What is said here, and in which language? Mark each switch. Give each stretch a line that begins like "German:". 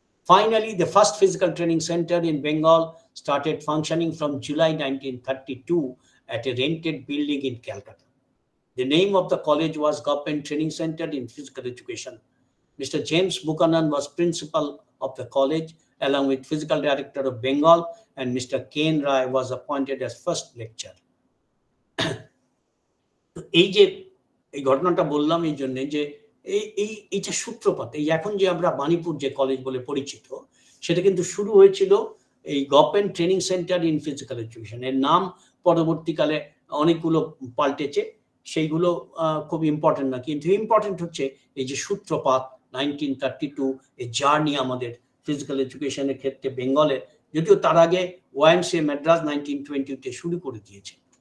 English: Finally the first physical training centre in Bengal started functioning from July 1932 at a rented building in Calcutta. The name of the college was government training centre in physical education. Mister James Buchanan was principal of the college along with physical director of Bengal and Mr. Kane Rai was appointed as first lecturer.
Bangla: এই যে এই ঘটনাটা বললাম এই জন্যে যে এই এই এই যে সূত্রপাত, এই এখন যে আমরা বাণীপুর যে কলেজ বলে পরিচিত সেটা কিন্তু শুরু হয়েছিল এই government training centre in physical education, এর নাম পরবর্তীকালে অনেকগুলো পাল্টেছে, সেইগুলো খুব ইম্পর্টেন্ট না, কিন্তু ইম্পর্টেন্ট হচ্ছে এই যে সূত্রপাত 1932 এই জার্নি আমাদের ফিজিক্যাল এডুকেশনের ক্ষেত্রে বেঙ্গলে, যদিও তার আগে ওয়াইএমসিএ মাদ্রাস 1920 শুরু করে দিয়েছে।